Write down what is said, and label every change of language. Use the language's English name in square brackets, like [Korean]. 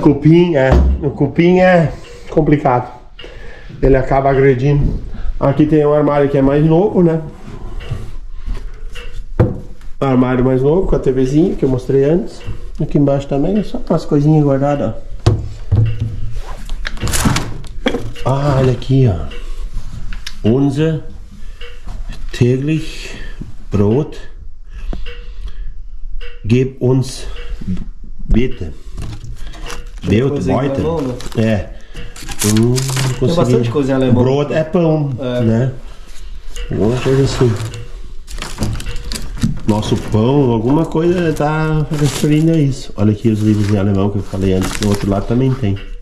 [Portuguese] Cupim, é. O cupim é complicado. Ele acaba agredindo. Aqui tem um armário que é mais novo, né? Armário mais novo, com a TVzinha que eu mostrei antes. Aqui embaixo também, só umas coisinhas guardadas, ó. Ah, olha aqui, ó. [German] Unser täglich Brot gib uns bitte. [Portuguese] Deu, heute. É. Consegui. Tem bastante coisa em alemão. Brot é pão, é, né? Alguma coisa assim. Nosso pão, alguma coisa tá referindo a isso. Olha aqui os livros em alemão que eu falei antes. Do outro lado também tem.